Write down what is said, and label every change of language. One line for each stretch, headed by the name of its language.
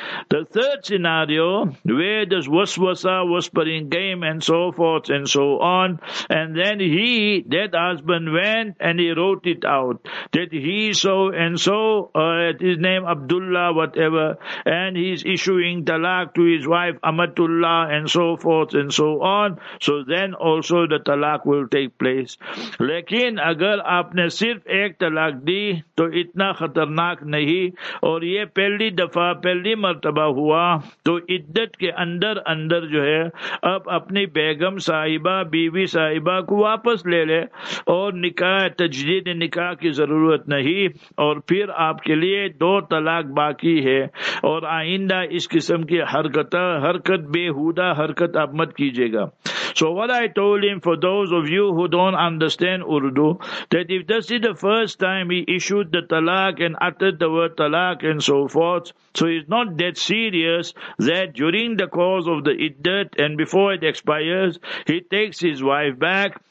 English: The third scenario, where this waswasa, whispering game and so forth and so on, and then he, that husband, went and he wrote it out, that he so and so, at his name Abdullah whatever, and he's issuing talaq to his wife Amatullah and so forth and so on, so then also the talaq will take place.
Urdu: Lekin agar aapne sirf ek talaq di, to itna khatarnak nahi نہیں اور یہ پہلی دفعہ پہلی مرتبہ ہوا تو عدت کے اندر اندر جو ہے اب اپنی بیگم صاحبہ بیوی صاحبہ کو واپس لے لے اور نکاح تجدید نکاح کی ضرورت نہیں اور پھر آپ کے لیے دو طلاق باقی ہے اور آئندہ اس قسم کی حرکت بےہودہ حرکت آپ مت کیجیے گا.
English: So what I told him, for those of you who don't understand Urdu, that if this is the first time he issued the talaq and uttered the word talaq and so forth, so it's not that serious that during the course of the iddat and before it expires, he takes his wife back.